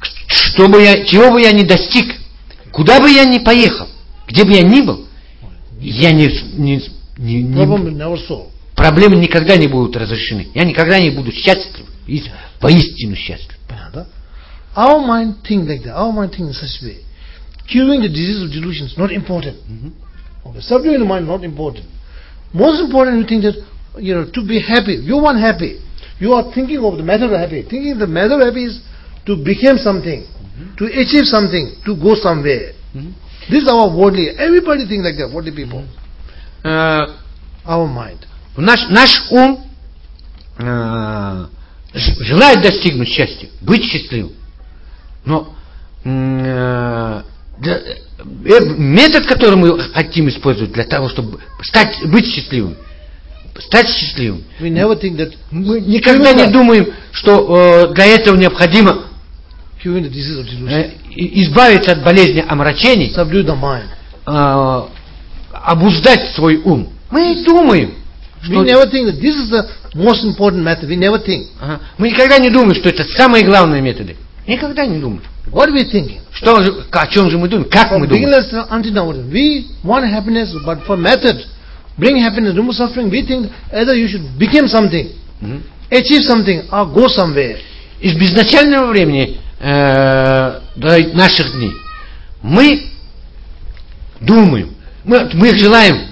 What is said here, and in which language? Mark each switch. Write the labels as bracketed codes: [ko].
[ru] Что бы я, чего бы я ни достиг, куда бы я ни поехал, где бы я ни был, я не [en] problem never solved. [ru] Проблемы никогда не будут разрешены. Я никогда не буду счастлив, воистину счастлив. Понятно? [en] Our mind think like that. Our mind think in such way. Curing the disease of delusion is not important. Okay. Subduing the mind not important. Most important, you think that, you know, to be happy. You want happy. You are thinking of the matter of happy. Thinking the matter of happy is to become something, to achieve something, to go somewhere. This is our worldly. Everybody think like that. Worldly people. Our mind. [ru] Наш ум желает достигнуть счастья, быть счастливым. Но метод, который мы хотим использовать для того, чтобы стать счастливым, [en] we never think that [ru] мы никогда не думаем, что для этого необходимо избавиться от болезни омрачений, [en] subdue the mind. [ru] Обуздать свой ум. Мы думаем. [en] We never think that this is the most important method. We never think. [ru] Мы никогда не думаем, что это самые главные методы. Никогда не думаем. [en] What are we thinking? [ru] Что же, о чем же мы думаем? Как [en] from [ru] мы думаем? [en] From beginners until now, we want happiness, but for method, bring happiness, remove suffering. We think either you should become something, achieve something, or go somewhere. [ru] Из изначального времени до наших дней мы думаем, мы желаем.